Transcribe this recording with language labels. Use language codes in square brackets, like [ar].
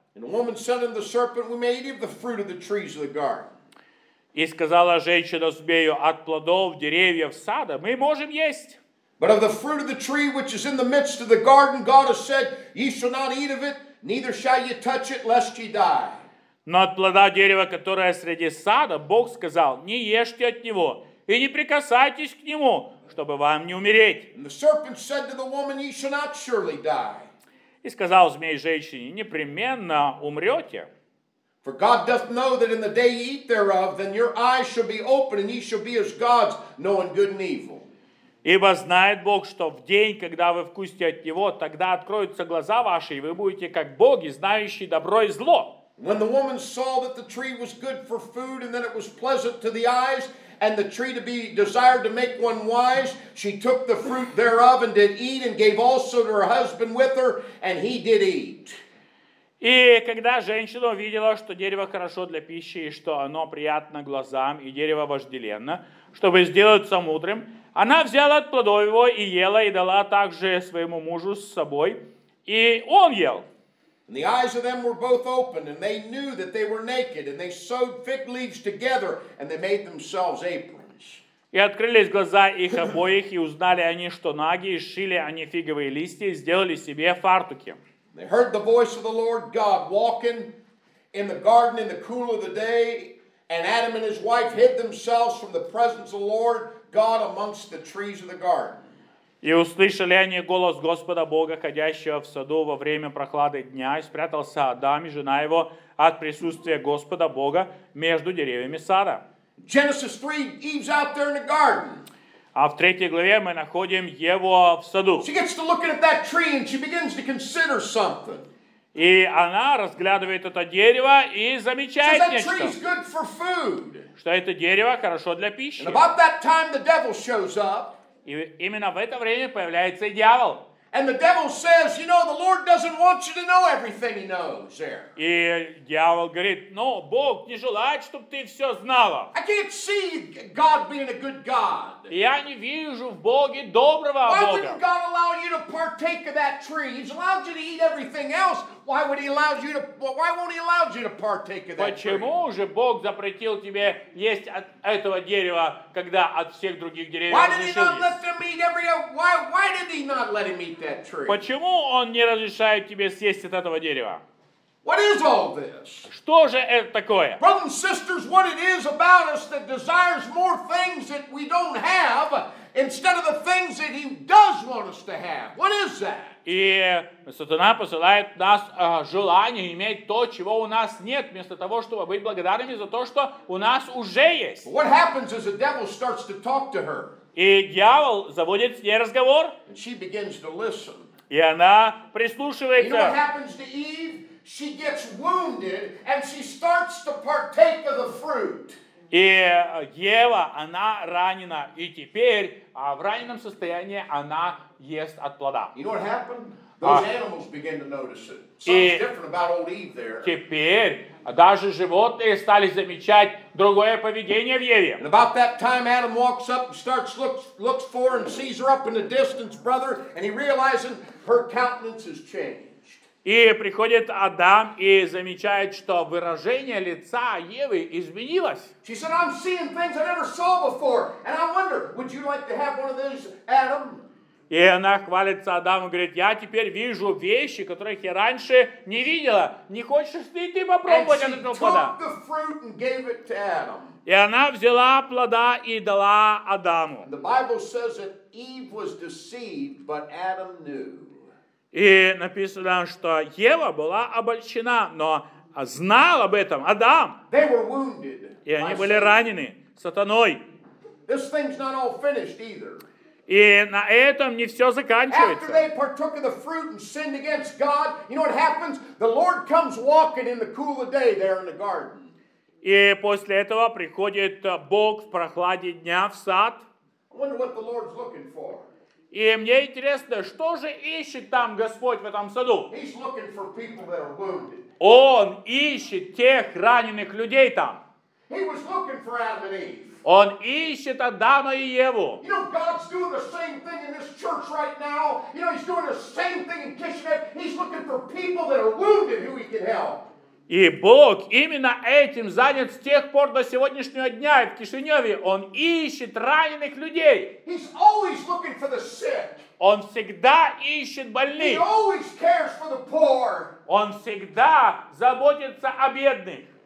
[en] And the woman said unto the serpent, we may eat of the fruit of the trees of the garden. [ru] И сказала женщина змею, от плодов деревьев сада мы можем есть. [en] But of the fruit of the tree which is in the midst of the garden, God has said, ye shall not eat of it, neither shall ye touch it, lest ye die. [ru] Но от плода дерева, которое среди сада, Бог сказал, не ешьте от него, и не прикасайтесь к нему, чтобы вам не умереть. [en] And the serpent said to the woman, ye shall not surely die. [ru] И сказал змей женщине, непременно умрете. [en] For God doth know that in the day ye eat thereof, then your eyes shall be open, and ye shall be as gods, knowing good and evil. [ru] Ибо знает Бог, что в день, когда вы вкусите от него, тогда откроются глаза ваши, и вы будете как боги, знающие добро и зло. [en] When the woman saw that the tree was good for food, and that it was pleasant to the eyes, and the tree to be desired to make one wise, she took the fruit thereof, and did eat, and gave also to her husband with her, and he did eat. [ru] И когда женщина увидела, что дерево хорошо для пищи, и что оно приятно глазам, и дерево вожделенно, чтобы сделаться мудрым, она взяла от плодов его и ела, и дала также своему мужу с собой, и он ел. [en] And the eyes of them were both opened, and they knew that they were naked, and they sewed fig leaves together, and they made themselves aprons. [ru] И открылись глаза их обоих, и узнали они, что наги, и сшили они фиговые листья, и сделали себе фартуки. [en] They heard the voice of the Lord God walking in the garden in the cool of the day, and Adam and his wife hid themselves from the presence of the Lord God amongst the trees of the garden. [ru] И услышали они голос Господа Бога, ходящего в саду во время прохлады дня, и спрятался Адам и жена его от присутствия Господа Бога между деревьями сада. [en] Genesis 3, Eve's out there in the garden. [ru] А в третьей главе мы находим Еву в саду. [en] She gets to looking at that tree and she begins to consider something. [ru] И она разглядывает это дерево и замечает нечто. [en] That tree's good for food. [ru] Что это дерево хорошо для пищи. [en] And about that time the devil shows up. [ru] И именно в это время появляется и дьявол. [en] And the devil says, you know, the Lord doesn't want you to know everything he knows there. [ru] И дьявол говорит, ну, Бог не желает, чтобы ты все знала. [en] I can't see God being a good God. [ru] Я не вижу в Боге доброго Бога. [en] Why wouldn't God allow you to partake of that tree? He's allowed you to eat everything else. Why would he allow you to, why won't he allow you to partake of that tree? [ru] Почему же Бог запретил тебе есть от этого дерева, когда от всех других деревьев не съешь? [en] Why did he not let him eat every, why did he not let him eat that tree? [ru] Почему он не разрешает тебе съесть от этого дерева? [en] What is all this? [ru] Что же это такое? [en] Brothers and sisters, what it is about us that desires more things that we don't have instead of the things that he does want us to have. What is that? [ru] И сатана посылает нас желание иметь то, чего у нас нет, вместо того, чтобы быть благодарными за то, что у нас уже есть. [en] What happens is the devil starts to talk to her. [ru] И дьявол заводит с ней разговор. [en] And she begins to listen. [ru] И она прислушивается. [en] You know what happens to Eve? She gets wounded and she starts to partake of the fruit. [ru] И Ева, она ранена, и теперь в раненом состоянии она ест от плода. [en] You know what happened? Those animals begin to notice it. Something's different about old Eve there. [ru] Теперь даже животные стали замечать другое поведение в Еве. [en] And about that time Adam walks up and starts looks for and sees her up in the distance, brother, and he realizes her countenance has changed. [ru] И приходит Адам и замечает, что выражение лица Евы изменилось. [en] She said, I'm seeing things I never saw before, and I wonder, would you like to have one of those, Adam? [ru] И она хвалится Адаму и говорит, я теперь вижу вещи, которых я раньше не видела. Не хочешь ли ты попробовать от этого плода? [en] And she took the fruit and gave it to Adam. [ru] И она взяла плода и дала Адаму. [en] And the Bible says that Eve was deceived, but Adam knew. [ru] И написано, что Ева была обольщена, но знал об этом Адам. [en] They were wounded, [ru] и они были ранены сатаной. [en] This thing's not all finished either. [ru] И на этом не все заканчивается. [en] After they partook of the fruit and sinned against God, you know what happens? The Lord comes walking in the cool of day there in the garden. [ru] И после этого приходит Бог в прохладе дня в сад. [en] I wonder what the Lord's looking for. [ru] И мне интересно, что же ищет там Господь в этом саду? [en] He's looking for people that are wounded. [ru] Он ищет тех раненых людей там. [en] He was looking for Adam and Eve. [ru] Он ищет Адама и Еву. [en] You know, God's doing the same thing in this church right now. You know, he's doing the same thing in Kishinev. He's looking for people that are wounded who he can help. [ru] И Бог именно этим занят с тех пор до сегодняшнего дня. И в Кишиневе Он ищет раненых людей. [en] He's always looking for the sick. [ru] Он всегда ищет больных. [en] He always cares for the poor. [ru] Он всегда заботится о бедных.